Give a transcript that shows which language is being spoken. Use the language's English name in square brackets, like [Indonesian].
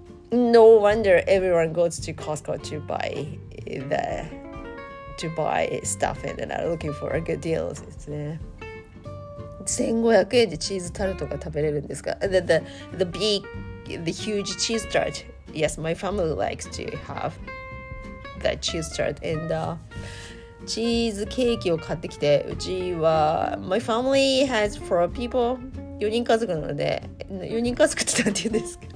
[English] No wonder everyone goes to Costco to buy the stuff and then are looking for a good deal. [Japanese] $1,500 でチーズタルトが食べれるんですか? [English] The big, the huge cheese tart. Yes, my family likes to have that cheese tart and [Japanese] チーズケーキを買ってきて、うちは [English] my family has four people. [Japanese] 4人家族なので、4人家族ってなんて言うんですか?